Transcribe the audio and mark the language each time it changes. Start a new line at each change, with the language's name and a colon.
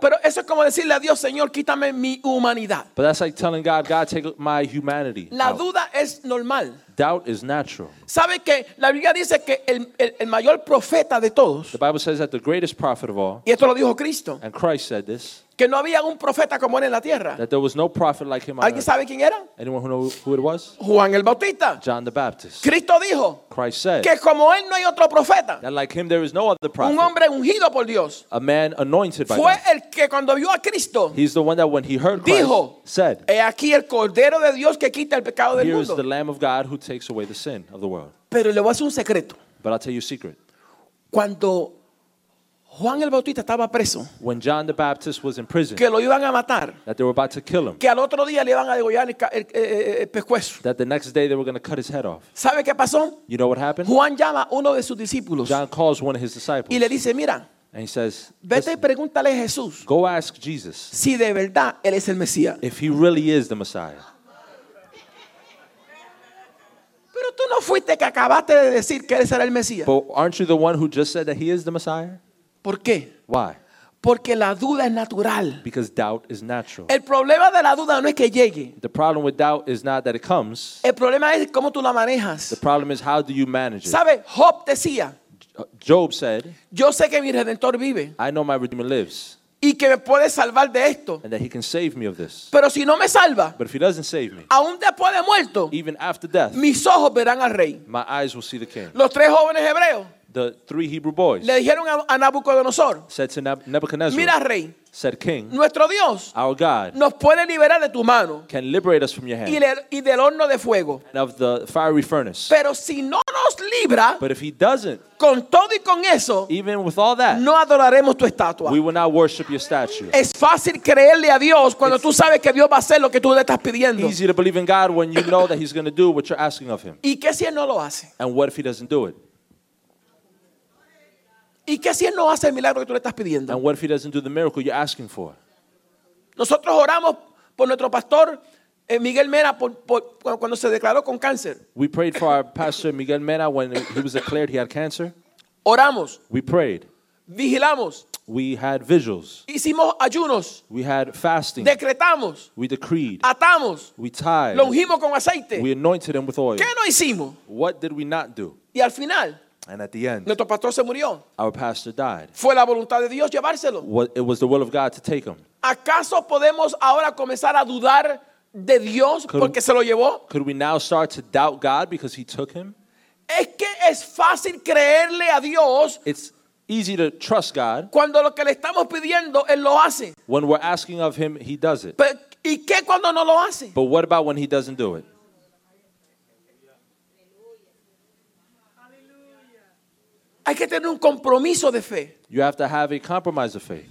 Spanish: Pero eso es como decirle a Dios, Señor, quítame mi humanidad.
English: But that's like telling God, God, take my humanity.
Spanish: La
English: out.
Spanish: Duda es normal.
English: Doubt is natural.
Spanish: ¿Sabe que la Biblia dice que el mayor profeta de todos?
English: The Bible says that the greatest prophet of all.
Spanish: Y esto lo dijo Cristo.
English: And Christ said this.
Spanish: Que no había un profeta como él en la tierra.
English: That there was no prophet like him on
Spanish: ¿alguien
English: earth.
Spanish: Sabe quién era?
English: Anyone who knows who it was?
Spanish: Juan el Bautista.
English: John the Baptist.
Spanish: Cristo dijo.
English: Christ said.
Spanish: Que como él no hay otro profeta.
English: That like him there is no other prophet.
Spanish: Un hombre ungido por Dios.
English: A man anointed by
Spanish: fue
English: God.
Spanish: Fue el que cuando vio a Cristo.
English: He's the one that when he heard Christ.
Spanish: Dijo.
English: Said.
Spanish: He aquí el Cordero de Dios que quita el pecado del mundo.
English: Here is the Lamb of God who takes away the sin of the world.
Spanish: Pero le voy a hacer un secreto.
English: But I'll tell you a secret.
Spanish: Cuando Juan el Bautista estaba preso.
English: When John the Baptist was in prison.
Spanish: Que lo iban a matar.
English: That they were about to kill him.
Spanish: Que al otro día le iban a degollar el pescuezo.
English: That the next day they were going to cut his head off.
Spanish: ¿Sabe qué pasó?
English: You know what happened?
Spanish: Juan llama a uno de sus discípulos.
English: John calls one of his disciples.
Spanish: Y le dice, mira.
English: And he says,
Spanish: vete y pregúntale a Jesús.
English: Go ask Jesus.
Spanish: Si de verdad él es el Mesías.
English: If he really is the Messiah.
Spanish: Pero tú no fuiste que acabaste de decir que él será el Mesías.
English: But aren't you the one who just said that he is the Messiah?
Spanish: ¿Por qué?
English: Why?
Spanish: Porque la duda es natural.
English: Because doubt is natural.
Spanish: El problema de la duda no es que llegue.
English: The problem with doubt is not that it comes.
Spanish: El problema es cómo tú la manejas.
English: The problem is how do you manage it.
Spanish: ¿Sabe? Job decía.
English: Job said.
Spanish: Yo sé que mi Redentor vive.
English: I know my Redeemer lives.
Spanish: Y que me puede salvar de esto.
English: And that he can save me of this.
Spanish: Pero si no me salva.
English: But if he doesn't save me.
Spanish: Aún después de muerto.
English: Even after death.
Spanish: Mis ojos verán al rey.
English: My eyes will see the king.
Spanish: Los tres jóvenes hebreos.
English: The three Hebrew boys
Spanish: le dijeron a Nabucodonosor,
English: said to Nebuchadnezzar,
Spanish: mira, rey,
English: said king,
Spanish: nuestro Dios,
English: our God,
Spanish: nos puede liberar de tu mano,
English: can liberate us from your hand,
Spanish: y del horno de fuego,
English: and of the fiery furnace.
Spanish: Pero si no nos libra,
English: but if he doesn't,
Spanish: con todo y con eso,
English: even with all that,
Spanish: no adoraremos tu estatua.
English: We will not worship your statue.
Spanish: Es fácil creerle a Dios cuando tú sabes que Dios va a hacer lo que tú le estás pidiendo.
English: Easy to believe in God when you know that he's going to do what you're asking of him.
Spanish: ¿Y qué si él no lo hace?
English: And what if he doesn't do it?
Spanish: ¿Y qué si él no hace el milagro que tú le estás pidiendo?
English: And what if he doesn't do the miracle you're asking for?
Spanish: Nosotros oramos por nuestro pastor Miguel Mena cuando se declaró con cáncer.
English: We prayed for our pastor Miguel Mena when he was declared he had cancer.
Spanish: Oramos.
English: We prayed.
Spanish: Vigilamos.
English: We had vigils.
Spanish: Hicimos ayunos.
English: We had fasting.
Spanish: Decretamos.
English: We decreed.
Spanish: Atamos.
English: We tied.
Spanish: Lo ungimos con aceite.
English: We anointed him with oil.
Spanish: ¿Qué no hicimos?
English: What did we not do?
Spanish: Y al final.
English: And at the end,
Spanish: nuestro pastor se murió.
English: Our pastor died.
Spanish: Fue la voluntad de Dios llevárselo.
English: It was the will of God to take him.
Spanish: ¿Acaso podemos ahora comenzar a dudar de Dios porque se lo llevó?
English: Could we now start to doubt God because he took him?
Spanish: Es que es fácil creerle a Dios.
English: It's easy to trust God.
Spanish: Cuando lo que le estamos pidiendo, él lo hace.
English: When we're asking of him, he does it.
Spanish: Pero, ¿y qué cuando no lo hace?
English: But what about when he doesn't do it?
Spanish: Hay que tener un compromiso de fe.
English: You have to have a compromise of faith.